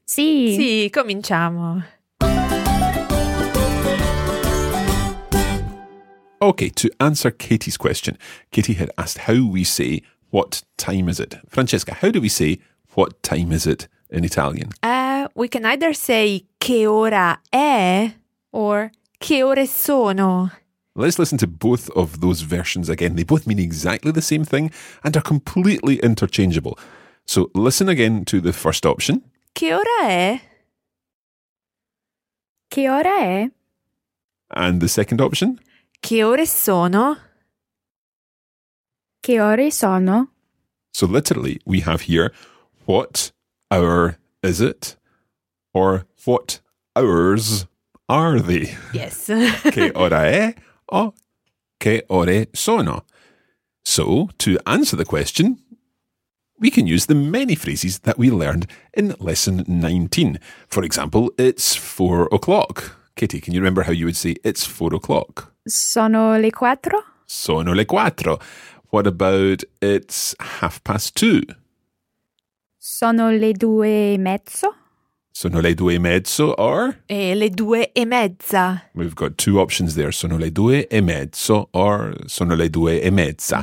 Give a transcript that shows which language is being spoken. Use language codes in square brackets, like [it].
[it] Sì. Sì, cominciamo. [en] Okay, to answer Katie's question, Katie had asked how we say what time is it? Francesca, how do we say what time is it in Italian? We can either say [it] che ora è [en] or [it] che ore sono. [en] Let's listen to both of those versions again. They both mean exactly the same thing and are completely interchangeable. So listen again to the first option. [it] Che ora è? Che ora è? [en] And the second option? [it] Che ore sono? Che ore sono? [en] So literally, we have here, what hour is it? Or what hours are they? Yes. [it] Che ora è o che ore sono? [en] So, to answer the question, we can use the many phrases that we learned in lesson 19. For example, it's 4 o'clock. Katie, can you remember how you would say it's 4 o'clock? [it] Sono le quattro. Sono le quattro. [en] What about it's 2:30? [it] Sono le due e mezzo. Sono le due e mezzo or? E le due e mezza. [en] We've got two options there. [it] Sono le due e mezzo or sono le due e mezza.